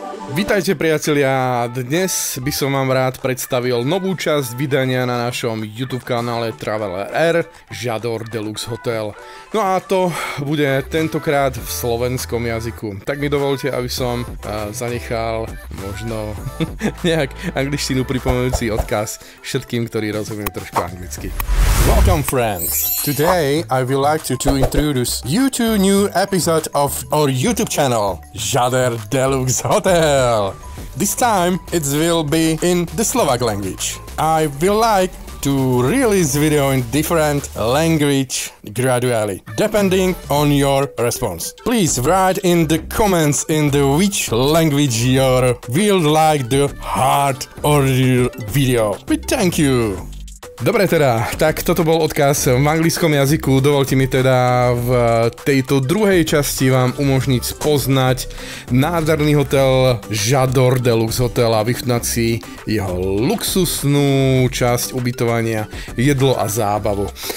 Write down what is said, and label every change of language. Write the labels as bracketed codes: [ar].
[sk] Vítajte priatelia, dnes by som vám rád predstavil novú časť vydania na našom YouTube kanále Traveler Air Žador Deluxe Hotel. No a to bude tentokrát v slovenskom jazyku. Tak mi dovolte, aby som zanechal možno nejak angličtinu pripomenúci odkaz všetkým, ktorí rozumiem trošku anglicky. [en] Welcome friends! Today I would like to introduce you to new episode of our YouTube channel Žador Deluxe Hotel. This time it will be in the Slovak language. I will like to release video in different language gradually, depending on your response. Please write in the comments in the which language you will like the heart or your video. We thank you! [sk] Dobre teda, tak toto bol odkaz v anglickom jazyku, dovolte mi teda v tejto druhej časti vám umožniť spoznať nádherný hotel Žador Deluxe Hotel a vychutnať si jeho luxusnú časť ubytovania, jedlo a zábavu.